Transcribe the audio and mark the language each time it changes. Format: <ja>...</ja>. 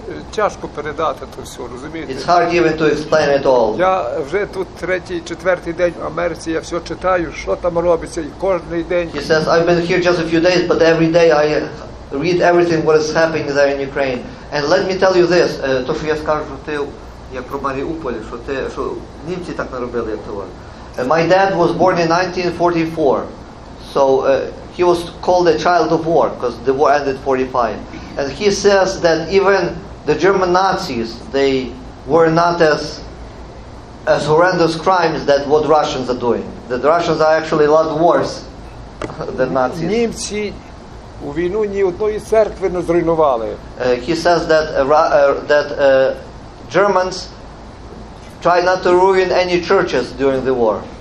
<uk>Тяжко передати це все, розумієте?</uk> <en>It's hard even to explain it all.</en> <uk>Я вже тут третій, четвертий день в Америці, я все читаю, що там робиться, і кожен день.</uk> <en>He says, I've been here just a few days, but every day I read everything what is happening there in Ukraine. And let me tell you this,</en> <uk>то, що я скажу, що ти, як про Маріуполь, що німці так наробили того.</uk> <en>My dad was born in 1944, so he was called a child of war, because the war ended in 45. And he says that even the German Nazis, they were not as horrendous crimes that what Russians are doing. That the Russians are actually a lot worse than Nazis.</en> <uk>Німці у війну ні одної церкви не зруйнували.</uk> <en>He says that Germans try not to ruin any churches during the war.</en>